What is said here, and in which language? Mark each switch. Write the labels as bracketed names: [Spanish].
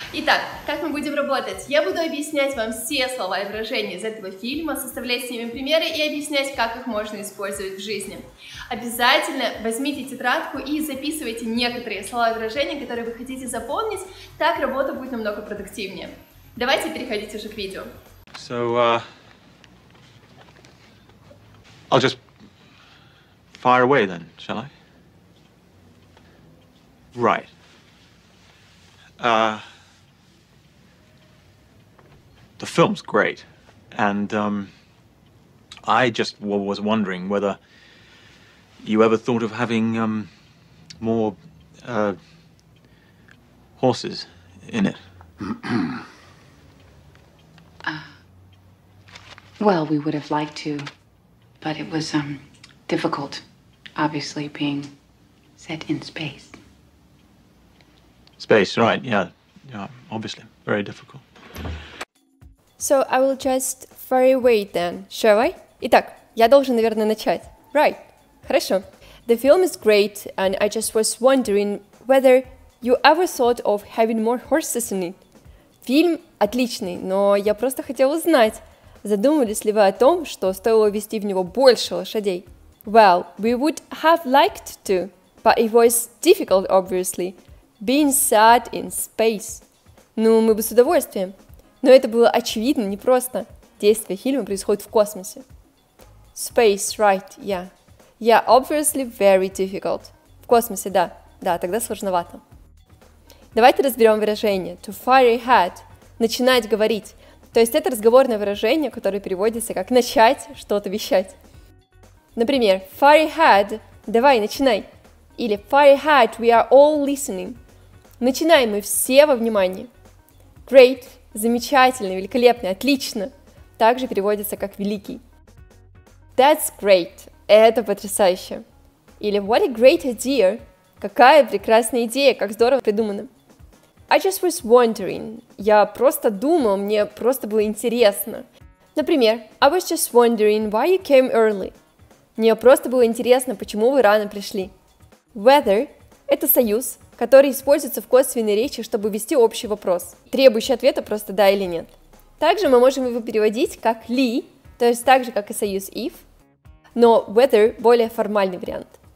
[Russian] Итак, как мы будем работать? Я буду объяснять вам все слова и выражения из этого фильма, составлять с ними примеры и объяснять, как их можно использовать в жизни. Обязательно возьмите тетрадку и записывайте некоторые слова и выражения, которые вы хотите запомнить, так работа будет намного продуктивнее. Давайте переходить уже к видео. [English] So, I'll just fire away then, shall I? Right. The film's great, and I just was wondering whether you ever thought of having more horses in it. Well, we would have liked to, but it was difficult, obviously, being set in space. Space, right, yeah, obviously, very difficult. So I will just fire away then, shall I? [Russian] Итак, я должен, наверное, начать. [English] Right, [Russian] хорошо. [English] The film is great, and I just was wondering whether you ever thought of having more horses in it. [Russian] Фильм отличный, но я просто хотела узнать, задумывались ли вы о том, что стоило ввести в него больше лошадей? [English] Well, we would have liked to, but it was difficult, obviously, being set in space. [Russian] Ну, мы бы с удовольствием. Но это было очевидно непросто. Действие фильма происходит в космосе. [English] Space, right, yeah. Yeah, obviously very difficult. [Russian] В космосе, да. Да, тогда сложновато. Давайте разберем выражение. [English] To fire ahead. [Russian] Начинать говорить. То есть это разговорное выражение, которое переводится как начать что-то вещать. Например, [English] fire ahead. [Russian] Давай, начинай. Или [English] fire ahead, we are all listening. [Russian] Начинаем мы все во внимание. [English] Great. [Russian] Замечательный, великолепный, отлично. Также переводится как великий. [English] That's great. [Russian] Это потрясающе. Или [English] what a great idea. [Russian] Какая прекрасная идея, как здорово придумано. [English] I just was wondering. [Russian] Я просто думал, мне просто было интересно. Например, [English] I was just wondering why you came early. [Russian] Мне просто было интересно, почему вы рано пришли. [English] Whether [Russian] – это союз, который используется в косвенной речи, чтобы ввести общий вопрос, требующий ответа просто да или нет. Также мы можем его переводить как ли, то есть так же, как и союз if, но whether более формальный вариант.